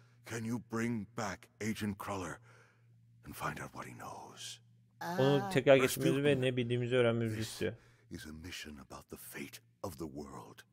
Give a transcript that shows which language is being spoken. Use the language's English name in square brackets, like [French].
[English] Can you bring back Agent Crawler and find out what he knows? [Turkish] Onu tekrar geçmemizi ve ne bildiğimizi öğrenmemizi istiyor. [English] This is a mission about the fate of the world.